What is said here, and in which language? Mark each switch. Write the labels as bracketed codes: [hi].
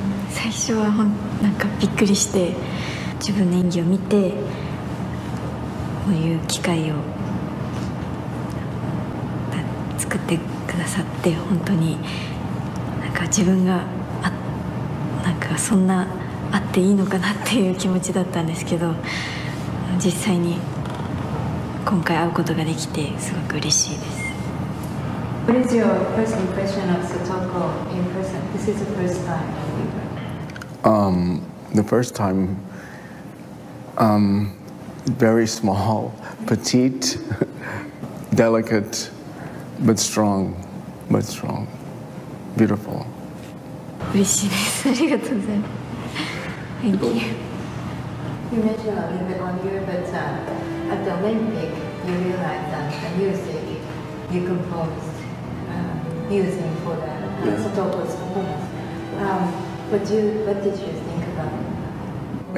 [ja] 最初はなんかびっくりして、自分の演技を見てこういう機会を作ってくださって、本当になんか自分がなんかそんなあっていいのかなっていう気持ちだったんですけど、実際に今回会うことができてすごく嬉しいです。 [en] What is your first impression of Sotoko in person? This is the first time. The first time, very small, petite, delicate, but strong, beautiful. [ja] 嬉しいです、ありがとうございます。 [en] Thank you. You mentioned a little bit on you, but at the Olympic, you realized that the music you composed using for the Sotoko's performance. What did you think about it?